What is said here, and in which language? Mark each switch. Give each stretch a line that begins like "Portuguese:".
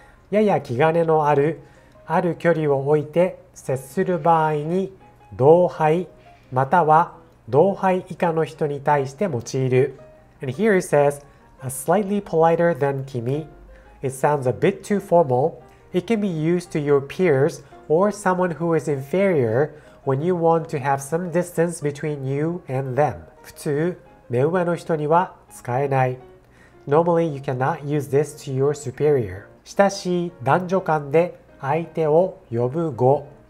Japanese: やや気兼ねのある、ある距離を置いて接する場合に同輩または同輩以下の人に対して用いる。
English: And here it says, a slightly politer than 君. It sounds a bit too formal. It can be used to your peers. Or someone who is inferior when you want to have some distance between you and them.
Japanese: 普通、目上の人には使えない。
English: Normally, you cannot use this to your superior.
Japanese: 親しい男女間で相手を呼ぶ語。